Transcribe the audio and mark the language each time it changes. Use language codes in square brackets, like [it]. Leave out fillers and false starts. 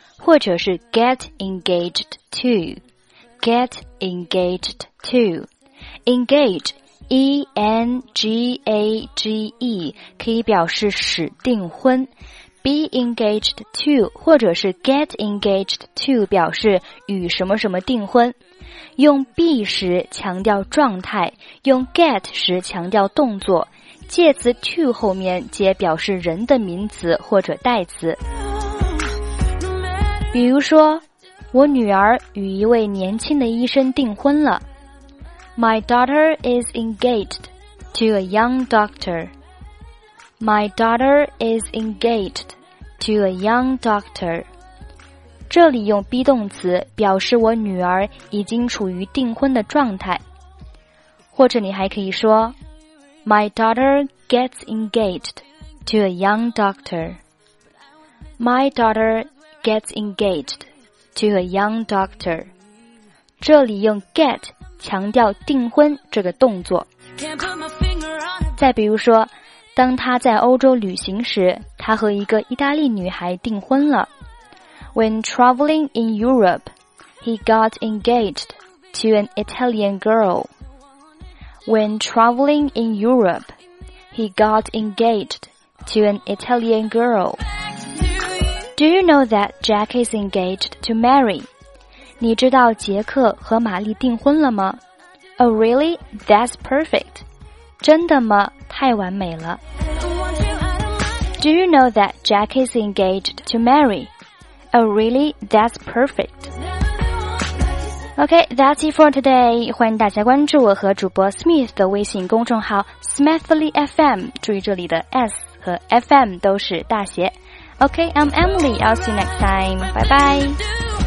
[zh] 或者是 [en] get engaged to. Get engaged to. [zh] Engage, E-N-G-A-G-E, 可以表示使订婚。 Be engaged to 或者是 get engaged to 表示与什么什么订婚，用 be 时强调状态，用 get 时强调动作，介词 to 后面接表示人的名词或者代词。比如说，我女儿与一位年轻的医生订婚了。 [en] My daughter is engaged to a young doctor. My daughter is engagedTo a young doctor. [zh] 这里用 be 动词表示我女儿已经处于订婚的状态。或者你还可以说 [en] My daughter gets engaged to a young doctor. My daughter gets engaged to a young doctor. [zh] 这里用 get 强调订婚这个动作。再比如说，当他在欧洲旅行时，他和一个意大利女孩订婚了。 [en] When traveling in Europe, he got engaged to an Italian girl. When traveling in Europe, he got engaged to an Italian girl. Do you know that Jack is engaged to Mary? [zh] 你知道杰克和玛丽订婚了吗？ [en] Oh really? That's perfect. [zh] 真的吗？太完美了。 [en] Do you know that Jack is engaged to Mary? Oh really? That's perfect. Okay, that's it for today. [zh] 欢迎大家关注我和主播 Smith 的微信公众号 Smithly FM. 注意这里的 S 和 FM 都是大写。 [en] Okay, I'm Emily. I'll see you next time. Bye bye.